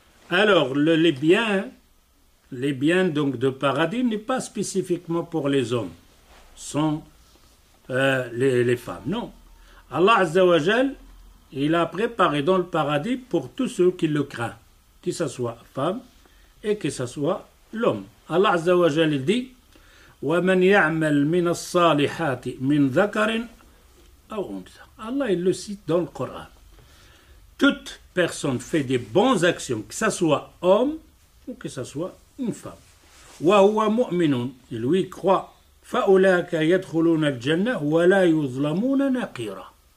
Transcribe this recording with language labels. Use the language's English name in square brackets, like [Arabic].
[French] Alors, les biens donc de paradis n'est pas spécifiquement pour les hommes. Sont les femmes. Non. Allah Azzawajal, il a préparé dans le paradis pour tous ceux qui le craignent, que ce soit femme et que ce soit l'homme. Allah Azzawajal, il dit [Arabic] وَمَنْ يَعْمَلْ مِنَ الصَّالِحَاتِ مِنْ ذَكَرٍ أَوْ أُنْثَى. [French] Allah, il le cite dans le Coran. Toute personne fait des bonnes actions, que ce soit homme ou que ce soit une femme. [Arabic] وَهُوَ مُؤْمِنٌ. [French] Il lui croit. [Arabic] فَأُولَٰئِكَ يَدْخُلُونَ الْجَنَّةِ وَلَا يُظْلَمُونَ نَقِيرًا.